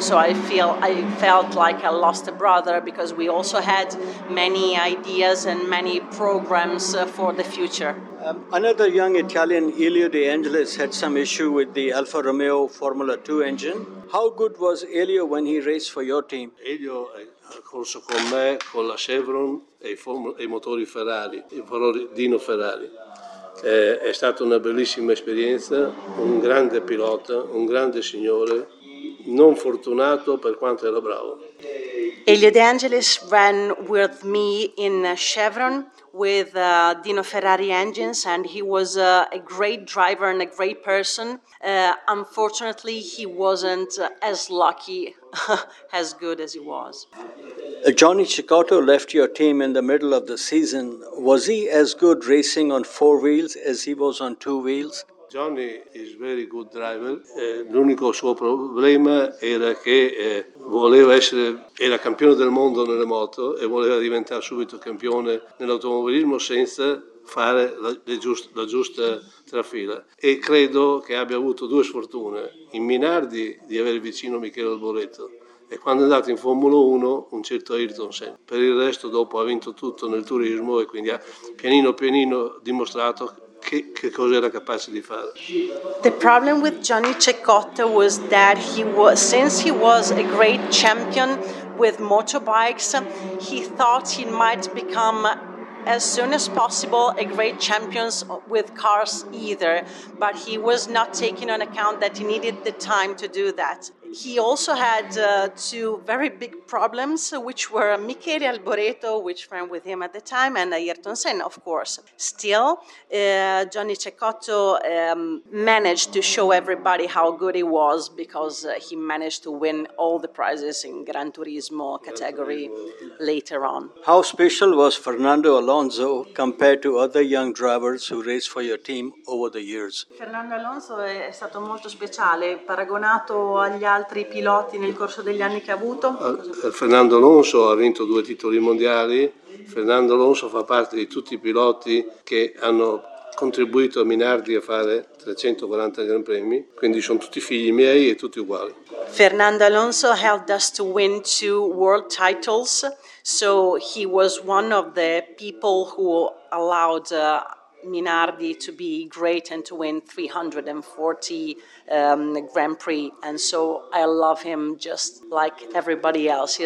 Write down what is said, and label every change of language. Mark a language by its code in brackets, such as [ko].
[en] So I felt like I lost a brother because we also had many ideas and many programs for the future. Another young Italian, Elio De Angelis, had some issue with the Alfa Romeo Formula 2 engine. How good was Elio when he raced for your team? [it] Elio ha corso con me, con la Chevron e i motori Ferrari, il motore Dino Ferrari. È stata una bellissima esperienza, un grande pilota, un grande signore, non fortunato per quanto era bravo. [en] Elio De Angelis ran with me in Chevron with Dino Ferrari engines, and he was a great driver and a great person. Unfortunately, he wasn't as lucky, as good as he was. Johnny Cecotto left your team in the middle of the season. Was he as good racing on four wheels as he was on two wheels? Johnny is very good driver. [it] L'unico suo problema era che voleva essere era campione del mondo nelle moto e voleva diventare subito campione nell'automobilismo senza fare la giusta trafila. E credo che abbia avuto due sfortune: in Minardi di avere vicino Michele Alboreto e quando è andato in Formula 1 un certo Ayrton Senna. Per il resto, dopo ha vinto tutto nel turismo e quindi ha pianino dimostrato che cosa era capace di fare. [en] The problem with Johnny Cecotto was that since he was a great champion with motorbikes, he thought he might become as soon as possible a great champion with cars either, but he was not taking into account that he needed the time to do that. He also had two very big problems, which were Michele Alboreto, which ran with him at the time, and Ayrton Senna, of course. Still, Johnny Cecotto managed to show everybody how good he was because he managed to win all the prizes in Gran Turismo category later on. How special was Fernando Alonso compared to other young drivers who raced for your team over the years? [it] Fernando Alonso è stato molto speciale, paragonato agli altri piloti nel corso degli anni che ha avuto. Fernando Alonso ha vinto due titoli mondiali. Fernando Alonso fa parte di tutti i piloti che hanno contribuito a Minardi a fare 340 Gran Premi, quindi sono tutti figli miei e tutti uguali. [en] Fernando Alonso helped us to win two world titles, so he was one of the people who allowed Minardi to be great and to win 340 Grand Prix, and so I love him just like everybody else.